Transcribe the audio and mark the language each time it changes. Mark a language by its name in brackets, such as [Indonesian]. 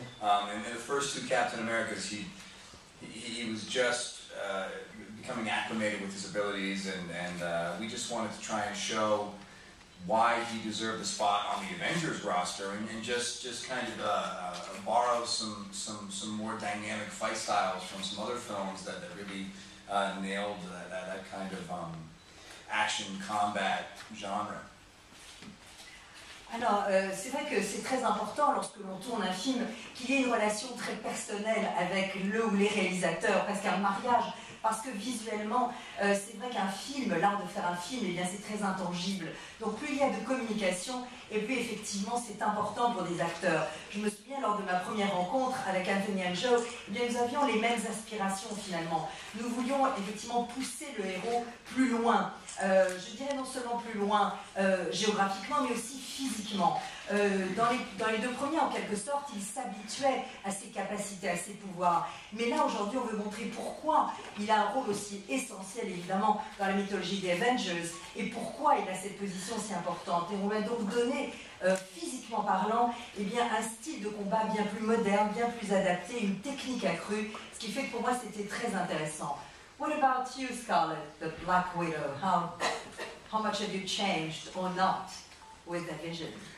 [English] And the first two Captain Americas, he was just becoming acclimated with his abilities, and we just wanted to try and show why he deserved the spot on the Avengers roster, and just kind of borrow some more dynamic fight styles from some other films that really nailed that kind of action combat genre. [French] Alors, c'est vrai que c'est très important lorsque l'on tourne un film qu'il y ait une relation très personnelle avec le ou les réalisateurs, presque un mariage. Parce que visuellement, c'est vrai qu'un film, l'art de faire un film, eh bien, c'est très intangible. Donc plus il y a de communication, et plus effectivement c'est important pour des acteurs. Je me souviens lors de ma première rencontre avec Anthony Angelo, eh bien, nous avions les mêmes aspirations finalement. Nous voulions effectivement pousser le héros plus loin. Je dirais non seulement plus loin géographiquement, mais aussi physiquement. Dans les deux premiers, en quelque sorte, il s'habituait à ses capacités, à ses pouvoirs. Mais là, aujourd'hui, on veut montrer pourquoi il a un rôle aussi essentiel, évidemment, dans la mythologie des Avengers, et pourquoi il a cette position si importante. Et on va donc donner, physiquement parlant, eh bien, un style de combat bien plus moderne, bien plus adapté, une technique accrue, ce qui fait que pour moi, c'était très intéressant. [English] What about you, Scarlett, the Black Widow? How much have you changed or not with the vision?